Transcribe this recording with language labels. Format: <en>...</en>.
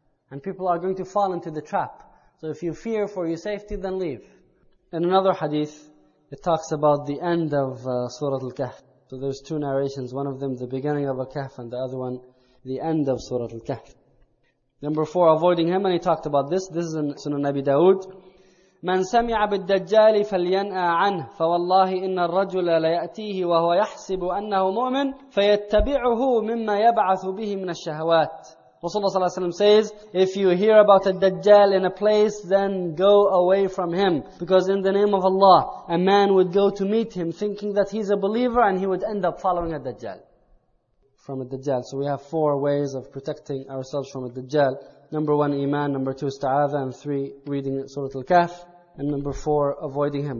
<en>And people are going to fall into the trap. So if you fear for your safety, then leave. In another hadith, it talks about the end of Surah Al-Kahf. So there's two narrations. One of them, the beginning of Al-Kahf, and the other one, the end of Surah Al-Kahf. Number four, avoiding him. And he talked about this. This is in Sunan Nabi Dawood.</en> <ar>مَنْ سَمِعَ بِالدَّجَّالِ فَلْيَنْأَ عَنْهِ فَوَاللَّهِ إِنَّ الرَّجُلَ لَيَأْتِيهِ وَهُوَ يَحْسِبُ أَنَّهُ مُؤْمِنٌ فَيَتَّبِعُهُ مِمَّا يَبْعَثُ بِهِ مِنَ الشَّهَوَاتِ</ar> <en>Rasulullah ﷺ says, if you hear about a Dajjal in a place, then go away from him. Because in the name of Allah, a man would go to meet him thinking that he's a believer and he would end up following a Dajjal. From a Dajjal. So we have four ways of protecting ourselves from a Dajjal. Number one, iman. Number two, ista'adha. And three, reading Surah Al-Kahf. And number four, avoiding him.</en>